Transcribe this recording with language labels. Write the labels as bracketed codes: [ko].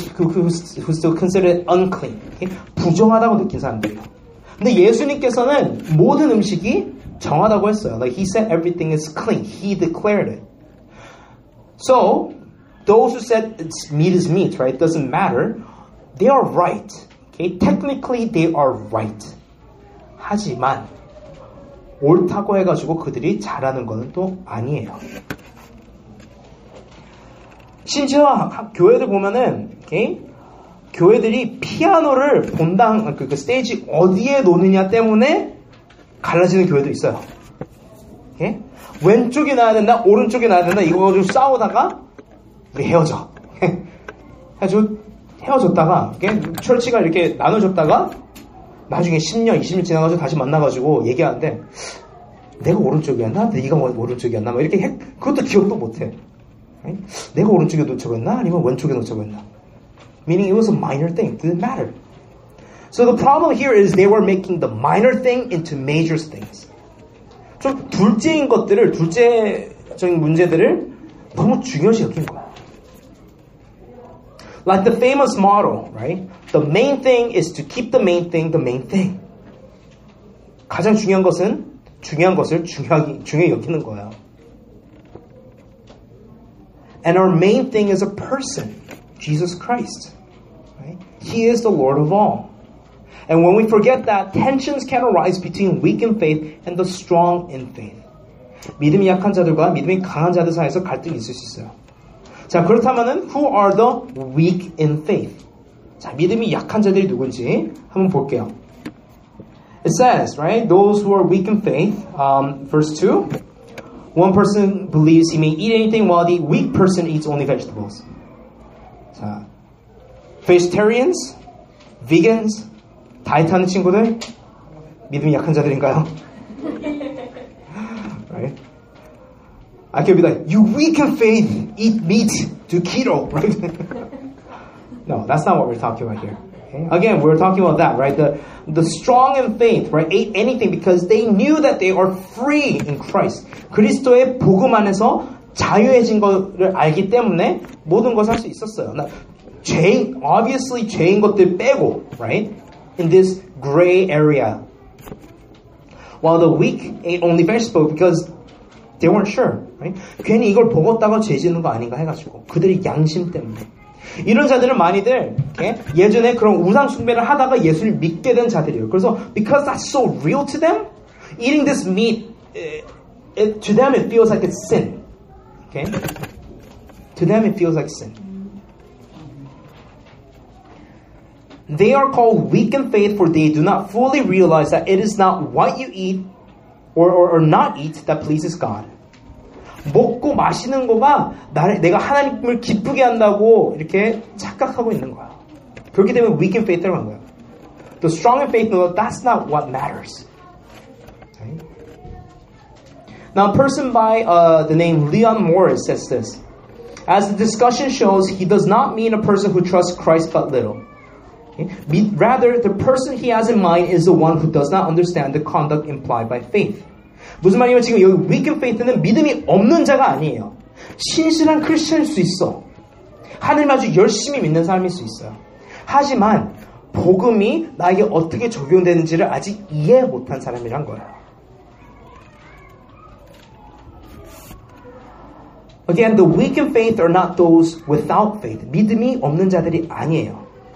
[en] The ones who called it a sin are those who still consider it unclean. Okay? [ko] 부정하다고 느낀 사람들이에요. 근데 예수님께서는 모든 음식이 정하다고 했어요. [en] Like he said everything is clean. He declared it. So, those who said it's meat is meat, right? It doesn't matter. They are right. Okay? Technically, they are right. [ko] 하지만 옳다고 해가지고 그들이 잘하는 거는 또 아니에요. 심지어 교회들 보면은 okay? 교회들이 피아노를 본당 그 스테이지 어디에 놓느냐 때문에 갈라지는 교회도 있어요. [en] Okay? [ko] 왼쪽에 놔야 된다, 오른쪽에 놔야 된다 이거 가지고 싸우다가 우리 헤어져. 아주 헤어졌다가 okay? 철치가 이렇게 나눠졌다가 나중에 10년, 20년 지나가서 다시 만나가지고 얘기하는데 내가 오른쪽이었나? 네가 오른쪽이었나? 막 이렇게 그것도 기억도 못해. 내가 오른쪽에 놓쳐버렸나? 아니면 왼쪽에 놓쳐버렸나? [en] Meaning it was a minor thing. It didn't matter. So the problem here is they were making the minor thing into major things. [ko] 좀 둘째인 것들을, 둘째적인 문제들을 너무 중요시 여긴 거야. [en] Like the famous motto, right? The main thing is to keep the main thing the main thing. [ko] 가장 중요한 것은 중요한 것을 중요히 여기는 거야. [en] And our main thing is a person, Jesus Christ. Right? He is the Lord of all. And when we forget that, tensions can arise between weak in faith and the strong in faith. [ko] 믿음이 약한 자들과 믿음이 강한 자들 사이에서 갈등이 있을 수 있어요. 자, 그렇다면은 [en] who are the weak in faith? [ko] 자, 믿음이 약한 자들이 누군지 한번 볼게요. [en] It says, right, those who are weak in faith, verse 2. One person believes he may eat anything while the weak person eats only vegetables. [ko] 자, vegetarians, vegans, 다이어트 하는 친구들, 믿음이 약한 자들인가요? [en] Right? I could be like, you weak in faith, eat meat, do keto, right? No, that's not what we're talking about here. Okay? Again, we're talking about that, right? The strong in faith, right? Ate anything because they knew that they are free in Christ. [ko] 그리스도의 복음 안에서 자유해진 것을 알기 때문에 모든 것을 할 수 있었어요. 나, 죄인, obviously 죄인 것들 빼고, right? [en] In this gray area. While the weak ate only vegetables because they weren't sure, right? [ko] 괜히 이걸 먹었다가 죄 짓는 거 아닌가 해가지고 그들의 양심 때문에. 이런 자들은 많이들 okay? 예전에 그런 우상 숭배를 하다가 예수를 믿게 된 자들이에요. 그래서 [en] because that's so real to them, eating this meat, to them it feels like it's sin. Okay? To them it feels like sin. They are called weak in faith for they do not fully realize that it is not what you eat or not eat that pleases God. [ko] 먹고 마시는 거가 내가 하나님을 기쁘게 한다고 이렇게 착각하고 있는 거야. 그렇기 때문에 [en] weak in faith [ko] 라고 한 거야. [en] The strong in faith know that's not what matters. Okay? Now, a person by the name Leon Morris says this. As the discussion shows, he does not mean a person who trusts Christ but little. Okay? Rather, the person he has in mind is the one who does not understand the conduct implied by faith. [ko] 무슨 말이냐면 지금 여기 [en] weak in faith [ko] 는 믿음이 없는 자가 아니에요. 신실한 크리스천일 수 있어. 하늘 아주 열심히 믿는 사람일 수 있어요. 하지만 복음이 나에게 어떻게 적용되는지를 아직 이해 못한 사람이란 거예요. [en] Again, the weak in faith are not those without faith. [ko] 믿음이 없는 자들이 아니에요.